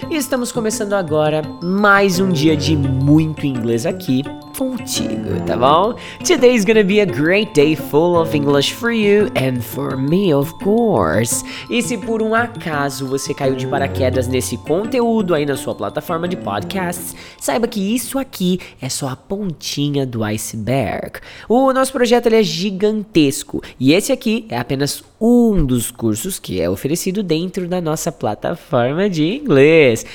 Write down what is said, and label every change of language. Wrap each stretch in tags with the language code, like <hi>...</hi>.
<pt>E estamos começando agora mais um dia de muito inglês aqui contigo, tá bom?</pt> <en>Today's gonna be a great day full of English for you and for me, of course.</en> <pt>E se por um acaso você caiu de paraquedas nesse conteúdo aí na sua plataforma de podcasts, saiba que isso aqui é só a pontinha do iceberg. O nosso projeto ele é gigantesco e esse aqui é apenas um dos cursos que é oferecido dentro da nossa plataforma de inglês.</pt>